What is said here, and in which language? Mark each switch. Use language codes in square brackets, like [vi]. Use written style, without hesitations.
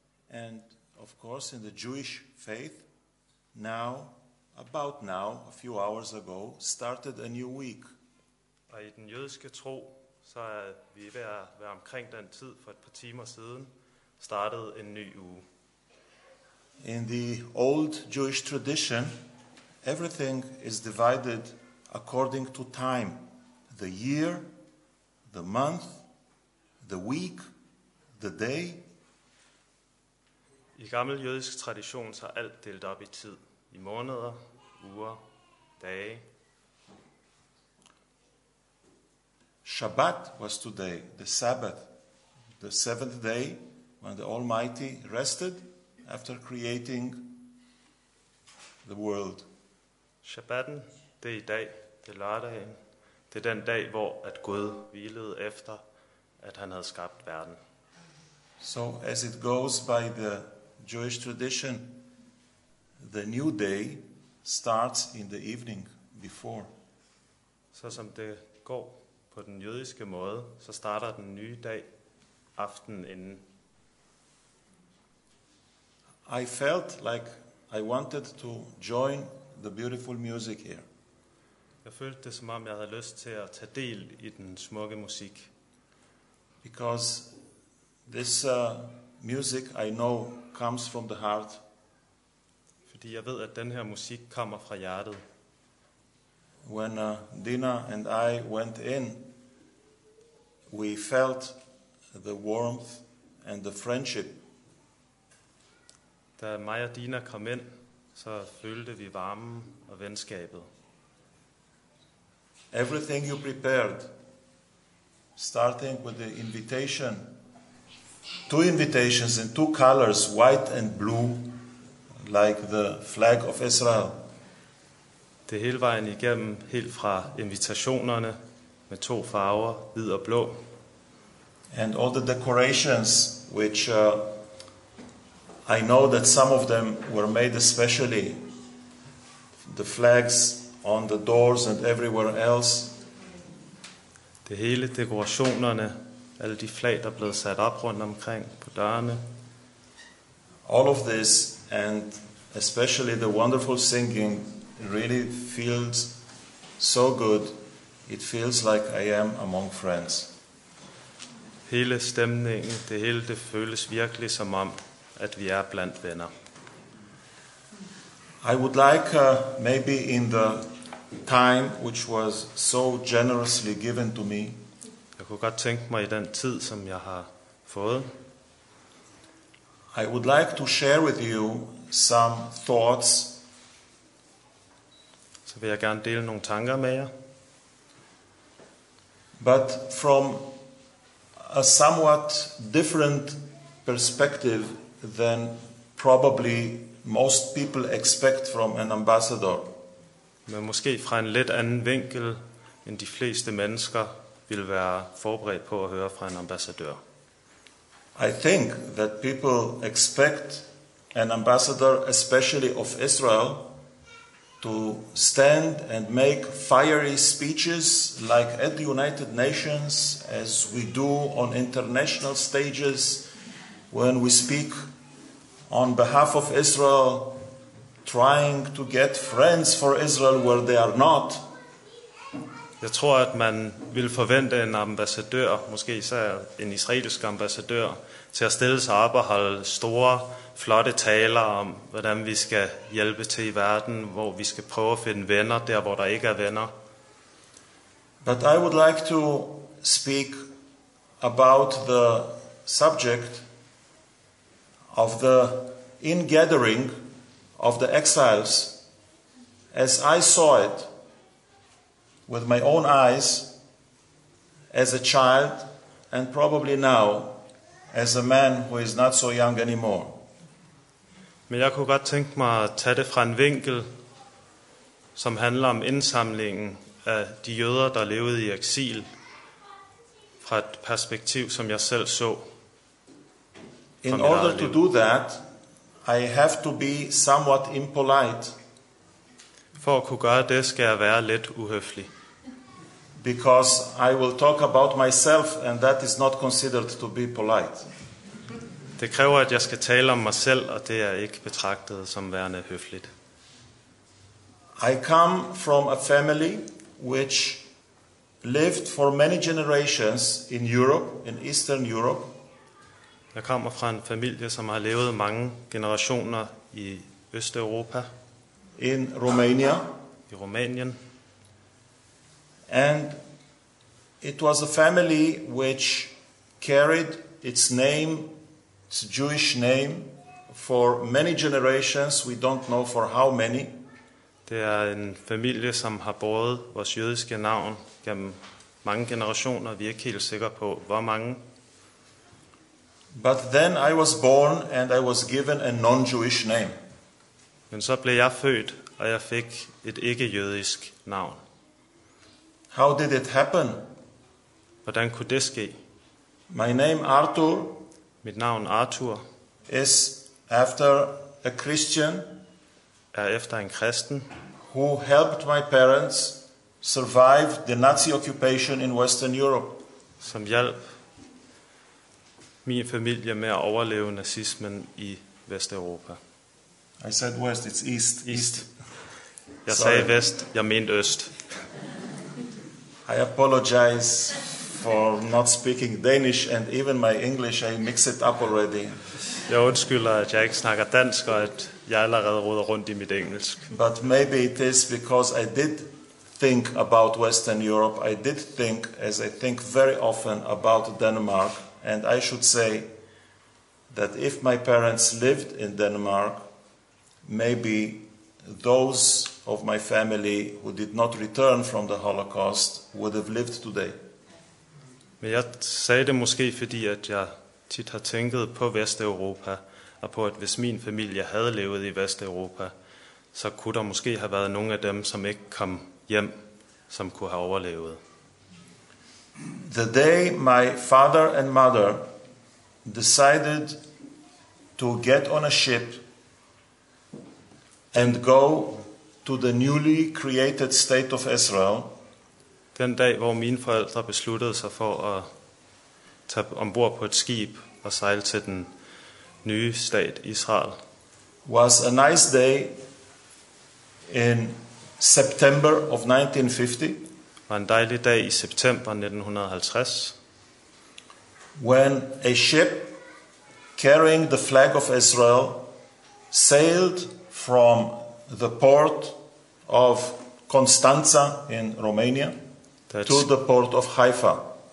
[en] And of course, in the Jewish faith, now, about now, a few hours ago, started a new week. [da] Og i den jødiske tro, så er vi ved at være omkring den tid for et par timer siden, startet en ny uge. [en] In the old Jewish tradition, everything is divided according to time. The year, the month, the week, the day. [da] I gammel jødisk tradition så er alt delt op i tid. I måneder, uger, dage. [en] Shabbat was today, the Sabbath, the seventh day when the Almighty rested after creating the world. [da] Shabbaten, det er i dag, det er lørdagen. Det er den dag, hvor at Gud hvilede efter, at han havde skabt verden. [en] So as it goes by the Jewish tradition, the new day starts in the evening before. [da] Så som det går på den jødiske måde, så starter den nye dag aftenen inden. [en] I felt like I wanted to join the beautiful music here. [da] Jeg følte det som om jeg havde lyst til at tage del i den smukke musik. [en] Because this music I know comes from the heart. [da] Fordi jeg ved at den her musik kommer fra hjertet. [en] When Dina and I went in, we felt the warmth and the friendship. [da] Da mig og Dina kom ind, så følte vi varmen og venskabet. [en] Everything you prepared, starting with the invitation, two invitations in two colors, white and blue, like the flag of Israel. [da] Det hele vejen igennem, helt fra invitationerne med to farver, hvid og blå. [en] And all the decorations, which I know that some of them were made especially, the flags on the doors and everywhere else. [da] Det hele, dekorationerne, alle de flag, der blev sat op rundt omkring på dørene. [en] All of this, and especially the wonderful singing, really feels so good. It feels like I am among friends. [da] Hele stemningen, det hele, det føles virkelig som om, at vi er blandt venner. [en] I would like maybe in the time which was so generously given to me. [da] Jeg kunne godt tænke mig i den tid, som jeg har fået. [en] I would like to share with you some thoughts. [da] Så vil jeg gerne dele nogle tanker med jer. [en] But from a somewhat different perspective than probably most people expect from an ambassador. [da] Men måske fra en lidt anden vinkel, end de fleste mennesker vil være forberedt på at høre fra en ambassadør. [en] I think that people expect an ambassador, especially of Israel, to stand and make fiery speeches like at the United Nations, as we do on international stages when we speak on behalf of Israel, trying to get friends for Israel where they are not. [da] Jeg tror, at man vil forvente en ambassadør, måske især en israelsk ambassadør, til at stille sig op og holde store, flotte taler om, hvordan vi skal hjælpe til i verden, hvor vi skal prøve at finde venner der, hvor der ikke er venner. [en] But I would like to speak about the subject of the ingathering of the exiles, as I saw it with my own eyes as a child and probably now as a man who is not so young anymore. [da] Men jeg kunne godt tænke mig at tage det fra en vinkel, som handler om indsamlingen af de jøder, der levede i eksil, fra et perspektiv, som jeg selv så. [en] In order to do that, I have to be somewhat impolite. [da] For at kunne gøre det, skal jeg være lidt uhøflig. [en] Because I will talk about myself, and that is not considered to be polite. [da] Det kræver, at jeg skal tale om mig selv, og det er ikke betragtet som værende høfligt. [en] I come from a family which lived for many generations in Europe, in Eastern Europe. [da] Jeg kommer fra en familie, som har levet mange generationer i Østeuropa. [en] In Romania. [da] I Rumænien. [en] And it was a family which carried its name, its Jewish name, for many generations. We don't know for how many. [da] Det er en familie, som har båret vores jødiske navn gennem mange generationer. Vi er ikke helt sikre på, hvor mange. [en] But then I was born and I was given a non-Jewish name. [da] Men så blev jeg født, og jeg fik et ikke-jødisk navn. [en] How did it happen? [da] Hvordan kunne det ske? [en] My name Arthur. [da] Mit navn Arthur. [en] Is after a Christian. [da] Er efter en kristen. [en] Who helped my parents survive the Nazi occupation in Western Europe. [da] Som hjalp min familie med at overleve nazismen i Vesteuropa. [en] I said west, it's east. East. [da] Jeg sagde vest, jeg mente øst. [en] I apologize for not speaking Danish and even my English, I mix it up already. [da] Jeg undskylder, at jeg ikke snakker dansk, og at jeg allerede roder rundt i mit engelsk. [en] But maybe it is because I did think about Western Europe. I did think, as I think very often, about Denmark. And I should say that if my parents lived in Denmark, maybe those of my family who did not return from the Holocaust would have lived today. [da] Men jeg sagde det måske fordi at jeg tit har tænkt på Vesteuropa og på at hvis min familie havde levet i Vesteuropa, så kunne der måske have været nogle af dem som ikke kom hjem, som kunne have overlevet. [en] The day my father and mother decided to get on a ship and go to the newly created state of Israel. [da] Den dag, hvor mine forældre besluttede sig for at tage ombord på et skib og sejle til den nye stat Israel. [en] Was a nice day in September of 1950. [da] Var en dejlig dag i september 1950. [en] When a ship carrying the flag of Israel sailed from the port of Constanza in Romania to the port of Haifa.